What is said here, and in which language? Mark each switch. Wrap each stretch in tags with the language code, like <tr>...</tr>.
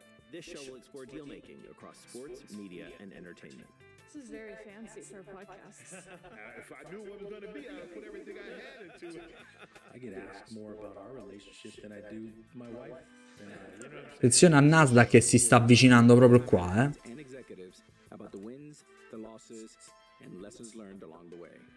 <en>This show will explore deal making across sports, media, and entertainment. This is very fancy for a podcast. If I knew what it was going to be, I'd put everything I had into it. I get asked more about our relationship than I do my wife.</en> <it>Attenzione a Nasdaq che si sta avvicinando proprio qua, eh.</it> <en>And executives about the wins, the losses, and lessons learned along the way.</en>